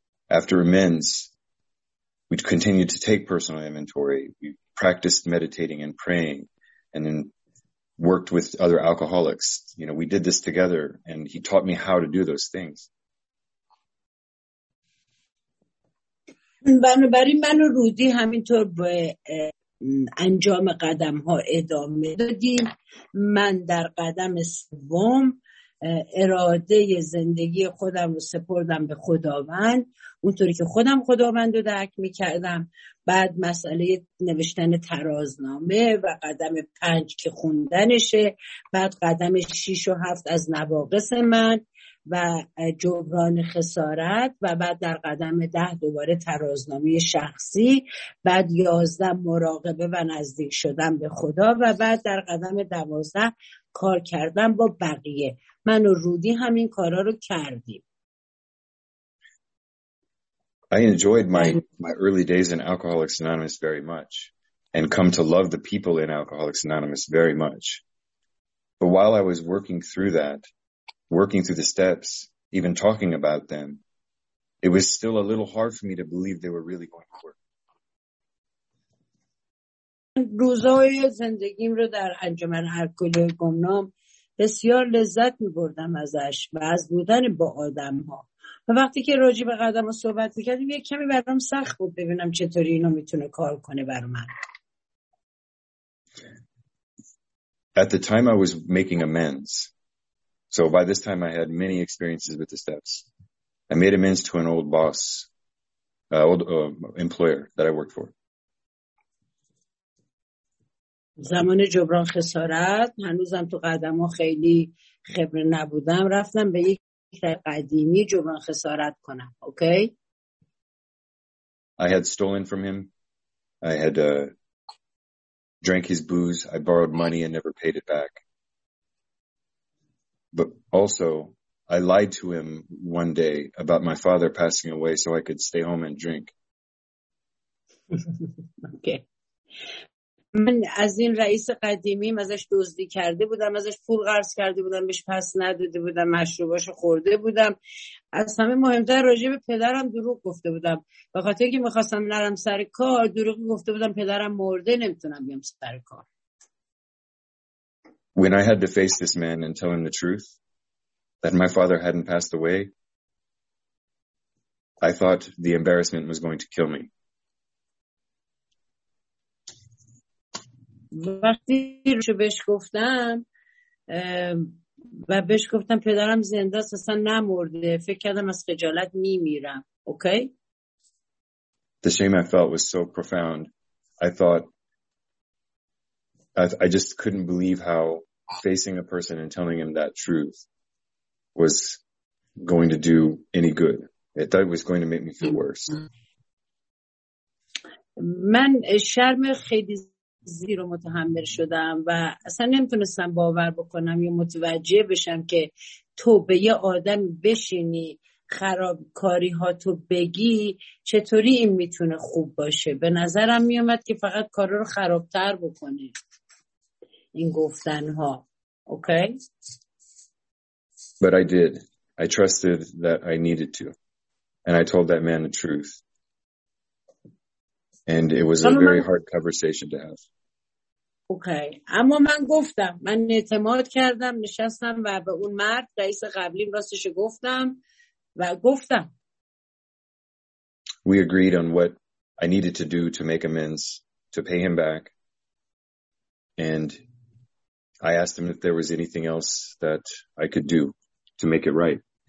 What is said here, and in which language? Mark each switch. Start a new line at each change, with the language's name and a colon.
English: After amends, we continued to take personal inventory. We practiced meditating and praying, and then worked with other alcoholics. You know, we did this together, and he taught me how to do those things.
Persian: بنابراین من و رودی همینطور به انجام قدم ها ادامه دادیم. من در قدم سوم اراده زندگی خودم رو سپردم به خداوند، اونطوری که خودم خداوند رو درک می کردم. بعد مسئله نوشتن ترازنامه و قدم پنج که خوندنشه، بعد قدم شیش و هفت از نواقص من و جبران خسارت، و بعد در قدم ده دوباره ترازنامه شخصی، بعد یازده مراقبه و نزدیک شدن به خدا، و بعد در قدم دوازده کار کردن با بقیه. من و رودی همین کارا رو کردیم.
English: I enjoyed my early days in Alcoholics Anonymous very much and come to love the people in Alcoholics Anonymous very much. But while I was working through that, working through the steps, even talking about them, it was still a little hard for me to believe they were really going to work.
Persian: روزای زندگیم رو در انجمن الکلی گمنام بسیار لذت می‌بردم ازش و از بودن با آدم‌ها. و وقتی که راجع به قدم رو صحبت می‌کردیم، یک کمی برام سخت بود ببینم چطوری اینو می‌تونه کار کنه بر من.
English: At the time I was making amends. So by this time I had many experiences with the steps. I made amends to an old boss, employer that I worked for.
Persian: زمان جبران خسارت هنوزم تو قدم ها خیلی خبره نبودم، رفتم به یک رفیق قدیمی جبران خسارت کنم.
English: Okay. I had stolen from him. I had drank his booze. I borrowed money and never paid it back. But also, I lied to him one day about my father passing away so I could stay home and drink. Okay.
Persian: من از این رئیس قدیمیم ازش دزدی کرده بودم، ازش پول قرض کرده بودم، بهش پس نداده بودم، مشروباشو خورده بودم. از همه مهمتر راجع به پدرم دروغ گفته بودم. به خاطر اینکه می‌خواستم نرم سر کار، دروغ گفته بودم پدرم مرده، نمیتونم بیام سر کار.
English: When I had to face this man and tell him the truth that my father hadn't passed away, I thought the embarrassment was going to kill me.
Persian: وقتی روشو بهش گفتم و بهش گفتم پدرم زنده است، اصلا نمرده، فکر کردم از خجالت میمیرم.
English: Okay. The shame I felt was so profound. I just couldn't believe how facing a person and telling him that truth was going to do any good. I thought it was going to make me feel worse.
Persian: من شرم خیلی زیر و متحمل شدم و اصلا نمیتونستم باور بکنم یا متوجه بشم که تو به یه آدم بشینی خرابکاری ها تو بگی، چطوری این میتونه خوب باشه؟ به نظرم میومد که فقط کار رو خرابتر بکنه این گفتن ها.
English: Okay. But I did. I trusted that I needed to. And I told that man the truth. And it was a very hard conversation to have. Okay.
Persian: اما من گفتم، من اعتماد کردم، نشستم و به اون مرد رئیس قبلیم راستش گفتم و گفتم.
English: We agreed on what I needed to do to make amends, to pay him back. And I asked him if there was anything else that I could do to make it right.